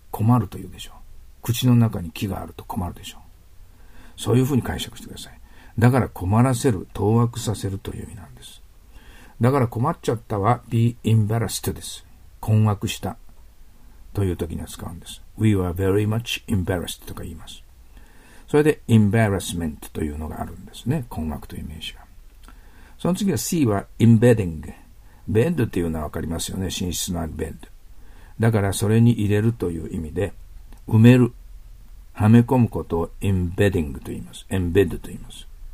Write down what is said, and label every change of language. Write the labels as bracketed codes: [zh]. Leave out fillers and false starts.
[ja] 困ると言うでしょう。口の中に木があると困るでしょう。そういうふうに解釈してください。だから困らせる、当惑させるという意味なんです。だから困っちゃったは [en] be embarrassed [ja] です。困惑した。という時には使うんです。 [en] We were very much embarrassed [ja] とか言います。それで embarrassment というのがあるんですね。困惑という名詞が。その次は C は embedding。ベッドというのはわかりますよね。寝室のあるベッド。だからそれに入れるという意味で、埋める、はめ込むことを embedding と言います。embed と言います。